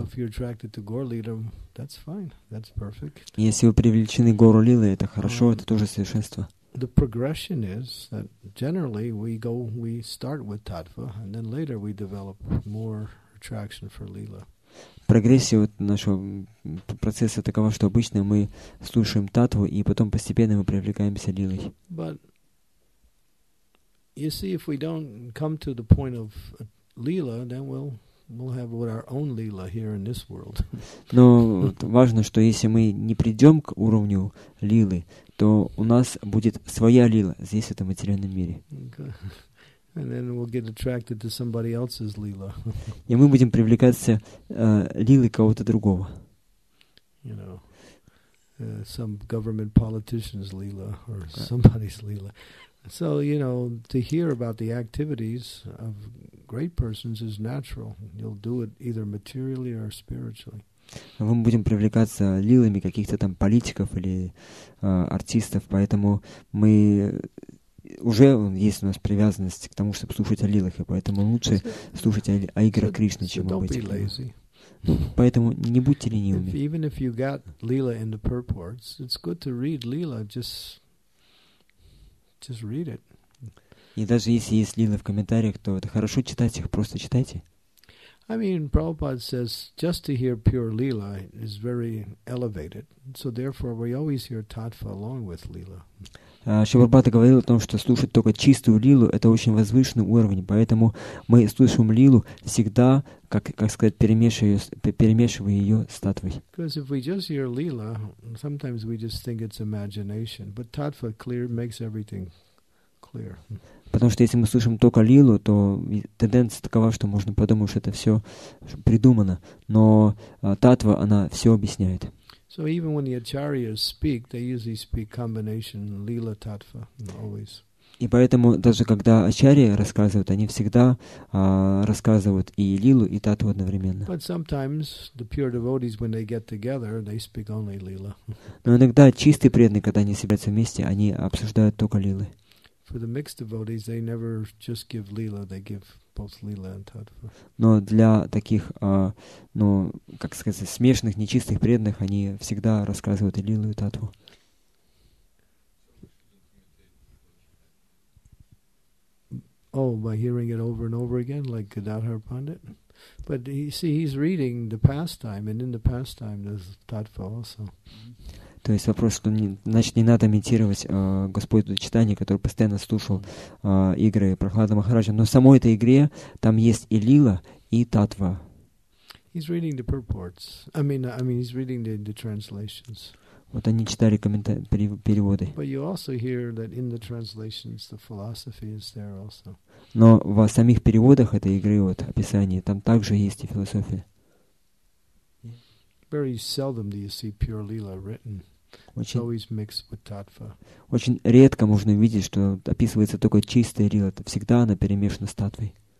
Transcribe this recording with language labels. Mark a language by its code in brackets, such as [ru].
[en] So if you're attracted to Gaur-lila, that's fine. That's perfect. [ru] Если вы привлечены к Гаур-лиле, это хорошо, это тоже совершенство. [en] The progression is that generally we start with Татва, and then later we develop more attraction for Lila. [ru] Прогрессия вот нашего процесса такова, что обычно мы слушаем Татву, и потом постепенно мы привлекаемся Лилой. [en] But you see, if we don't come to the point of Lila, then we'll have what our own lila here in this world. [ru] Но важно, что если мы не придем к уровню лилы, то у нас будет своя лила здесь, в этом материальном мире. [en] And then we'll get attracted to somebody else's lila. [ru] И мы будем привлекаться лилой кого-то другого. [en] You know, some government politician's lila or somebody's lila. So, you know, to hear about the activities of great persons is natural. You'll do it either materially or spiritually. [ru] Мы будем привлекаться лилами каких-то там политиков или артистов, поэтому мы уже есть у нас привязанность к тому, чтобы слушать о лилах, и поэтому лучше слушать о играх Кришны, чем об этих. Поэтому не будьте ленивыми. [en] Even if you got lila in the purports, it's good to read lila. Just read it. [ru] И даже если есть лилы в комментариях, то это хорошо читать их, просто читайте. [en] I mean, Prabhupada says, just to hear pure lila is very elevated. So therefore, we always hear tattva along with lila. [ru] Шивабхата говорил о том, что слушать только чистую лилу — это очень возвышенный уровень. Поэтому мы слушаем лилу всегда, как сказать, перемешивая ее с таттвой. [en] Because if we just hear lila, sometimes we just think it's imagination. But tattva clear makes everything clear. [ru] Потому что если мы слушаем только лилу, то тенденция такова, что можно подумать, что это все придумано. Но таттва, она все объясняет. [en] So even when the acharyas speak, they usually speak combination lila tattva always. [ru] И поэтому даже когда ачарьи рассказывают, они всегда рассказывают и лилу, и таттву одновременно. [en] But sometimes the pure devotees, when they get together, they speak only lila. [ru] Но иногда чистые преданные, когда они собираются вместе, они обсуждают только лилы. [en] For the mixed devotees, they never just give lila; they give both lila and tattva. [ru] Но для таких, как сказать, смешанных нечистых преданных, они всегда рассказывают и лилу, и таттву. [en] Oh, Oh, by hearing it over and over again, like Gadadhar Pandit? But you see, he's reading the pastime, and in the pastime there's tattva also. [ru] То есть вопрос, что не, значит, не надо имитировать Господь Читания, который постоянно слушал игры Прохлада Махараджа, но в самой этой игре там есть и лила, и татва. [en] He's reading the purports. I mean he's reading the translations. [ru] Вот они читали переводы. [en] But you also hear that in the translations the philosophy is there also. [ru] Но в самих переводах этой игры, вот описании, там также есть и философия. [en] Very seldom do you see pure lila written. It's always mixed with tattva. [ru] Очень редко можно увидеть, что описывается только чистая лила. Всегда она перемешана с таттвой.